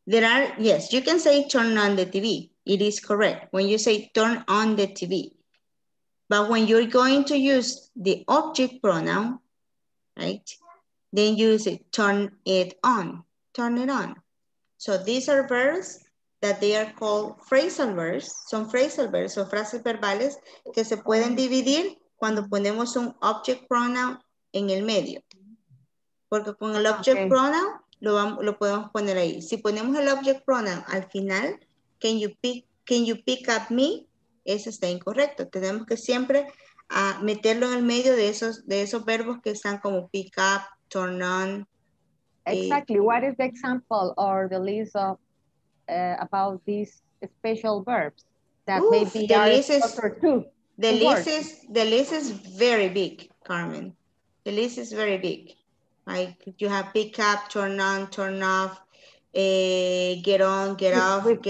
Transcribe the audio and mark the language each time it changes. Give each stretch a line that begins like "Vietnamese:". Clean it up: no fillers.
English: There are, yes, you can say turn on the TV. It is correct when you say turn on the TV. But when you're going to use the object pronoun, right, then you say turn it on. Turn it on. So these are verbs that they are called phrasal verbs.
Spanish: Son phrasal verbs, son frases verbales que se pueden dividir cuando ponemos un object pronoun en el medio. Porque con el object okay. pronoun lo podemos poner ahí. Si ponemos el object pronoun al final,
English: can you pick up me?
Spanish: Eso está incorrecto. Tenemos que siempre meterlo en el medio de esos verbos que están como pick up, turn on.
English: Exactly. What is the example or the list of about these special verbs that maybe the list is very big, Carmen. The list is very big. Like you have pick up, turn on, turn off, get on, get off,